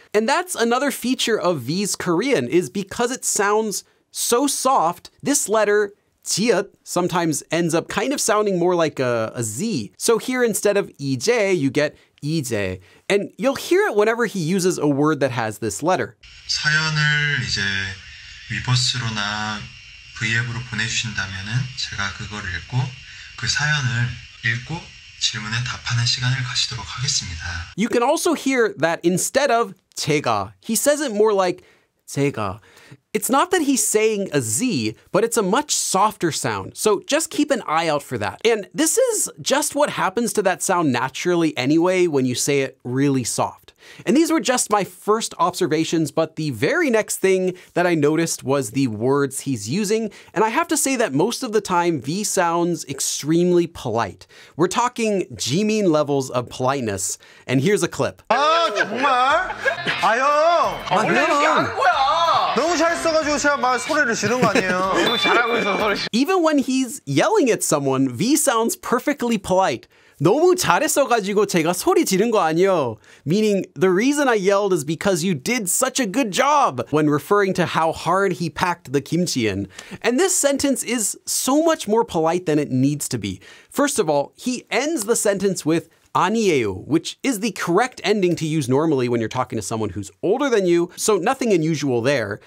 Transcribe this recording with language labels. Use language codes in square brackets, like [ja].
[en] And that's another feature of V's Korean, is because it sounds so soft, this letter, 지읒, sometimes ends up kind of sounding more like a Z. So here, instead of 이제, you get 이제. And you'll hear it whenever he uses a word that has this letter. [ko] 사연을 이제 위버스로나 V앱으로 보내주신다면은 제가 그걸 읽고 그 사연을 읽고 질문에 답하는 시간을 가지도록 하겠습니다. [en] You can also hear that instead of 제가, he says it more like 제가. It's not that he's saying a Z, but it's a much softer sound. So just keep an eye out for that. And this is just what happens to that sound naturally anyway when you say it really soft. And these were just my first observations, but the very next thing that I noticed was the words he's using. And I have to say that most of the time, V sounds extremely polite. We're talking Jimin levels of politeness. And here's a clip. [ko] 아, 정말? 아, 형! 아, 형! 너무 잘했어가지고 제가 막 소리를 지는 거 아니에요. 너무 잘하고 있어, 소리. [en] Even when he's yelling at someone, V sounds perfectly polite. [ko] 너무 잘했어가지고 제가 소리 지른 거 아니요. [en] Meaning, the reason I yelled is because you did such a good job, when referring to how hard he packed the kimchi in. And this sentence is so much more polite than it needs to be. First of all, he ends the sentence with 아니에요, which is the correct ending to use normally when you're talking to someone who's older than you, so nothing unusual there.